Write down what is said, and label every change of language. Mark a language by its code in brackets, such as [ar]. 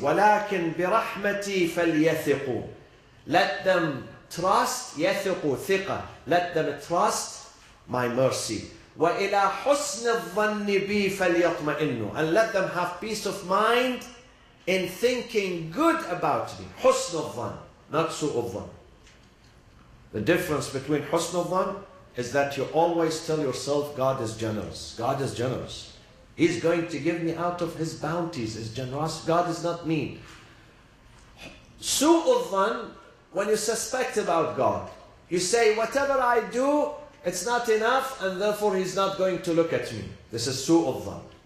[ar] وَلَكِنْ بِرَحْمَتِي فَلْيَثِقُوا. [en] Let them trust, يَثِقُوا, ثِقَة. Let them trust my mercy. [ar] وَإِلَىٰ حُسْنِ الظَّنِّ بِي فَلْيَطْمَئِنُّ. [en] And let them have peace of mind in thinking good about me. [ar] حُسْنُ الظَّنِّ, not سُوءُ الظَّنِّ. [en] The difference between حُسْنُ الظَّنِّ is that you always tell yourself, God is generous. God is generous. He's going to give me out of His bounties, His generosity. God is not mean. سُوءُ الظَّنِّ, when you suspect about God, you say, whatever I do, it's not enough, and therefore He's not going to look at me. This is سُوءُ الظَّنِّ.